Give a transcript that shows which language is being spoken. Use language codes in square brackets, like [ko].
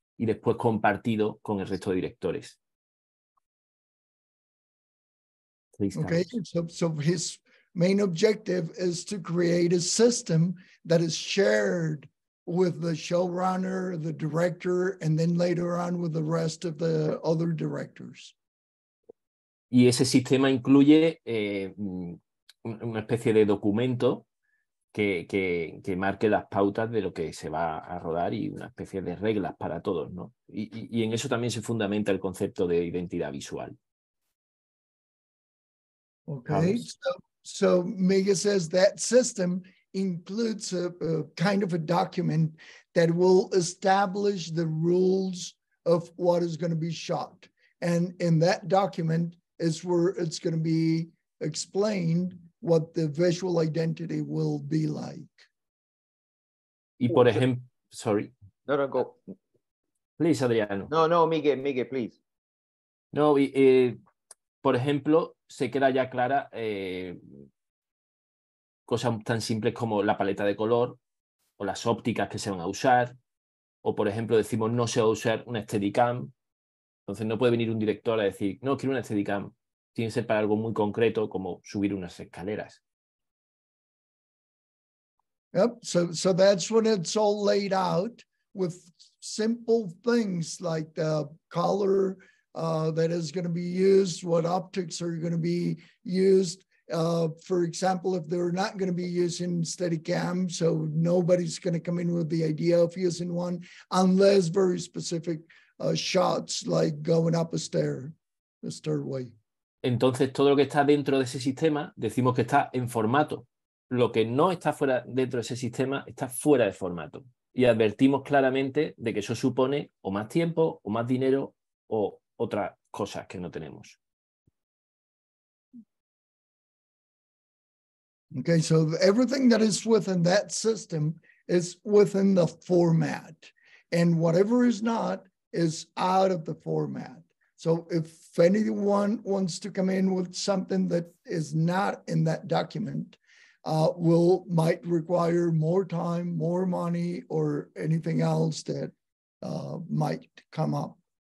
[es] y después compartido con el resto de directores. [en] Please, okay, so his main objective is to create a system that is shared with the showrunner, the director, and then later on with the rest of the other directors. [es] Y ese sistema incluye una especie de documento que marque las pautas de lo que se va a rodar y una especie de reglas para todos, ¿no? Y en eso también se fundamenta el concepto de identidad visual. [en] Okay, so Migue says that system includes a kind of a document that will establish the rules of what is going to be shot. And in that document is where it's going to be explained what the visual identity will be like. [es] Y por ejemplo, [en] sorry. No, go. Please, Adriano. No, Migue, please. [es] No, por ejemplo, se queda ya clara cosas tan simples como la paleta de color o las ópticas que se van a usar. O, por ejemplo, decimos no se va a usar una Steadicam. Entonces no puede venir un director a decir, no, quiero una Steadicam. Tiene que ser para algo muy concreto como subir unas escaleras. [en] Yep, so that's when it's all laid out with simple things like the color that is going to be used, what optics are going to be used. For example, if they're not going to be using Steadicam, so nobody's going to come in with the idea of using one unless very specific shots like going up a stairway. [es] Entonces, todo lo que está dentro de ese sistema, decimos que está en formato. Lo que no está fuera dentro de ese sistema está fuera de formato. Y advertimos claramente de que eso supone o más tiempo, o más dinero, o otras cosas que no tenemos. [en] Okay, so everything that is within that system is within the format. And whatever is not is out of the format. So if anyone wants to come in with something that is not in that document, might require more time, more money, or anything else that might come up.